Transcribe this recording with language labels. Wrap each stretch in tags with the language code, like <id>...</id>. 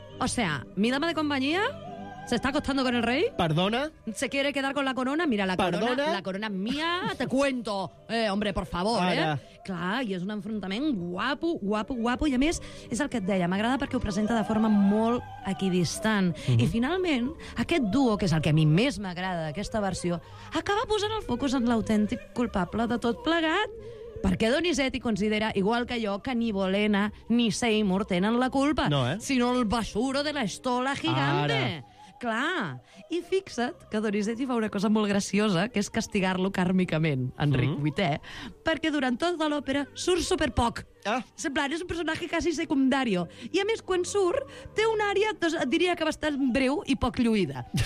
<es>O sea, mi dama de compañía se está acostando con el rey. Perdona. Se quiere quedar con la corona. Mira, la corona, la corona mía, te cuento. Hombre, por favor,</es> <ca>ara. Clar, i és un enfrontament guapo. I a més, és el que et deia, m'agrada perquè ho presenta de forma molt equidistant. Mm-hmm. I finalment, aquest duo, que és el que a mi més m'agrada d'aquesta versió, acaba posant el focus en l'autèntic culpable de tot plegat. Perquè Donizetti considera, igual que jo, que ni Bolena ni Seymour tenen la culpa, no, eh? Sinó</ca> <es>el basuro de la estola gigante.</es> <ca>Ara. Clar. I fixa't que Donizetti fa una cosa molt graciosa, que és castigar-lo càrmicament, Enric VIII, perquè durant tota l'òpera surt superpoc. Ah. És un personatge quasi secundari. I a més, quan surt, té una àrea, doncs, et diria que bastant breu i poc lluïda.</ca>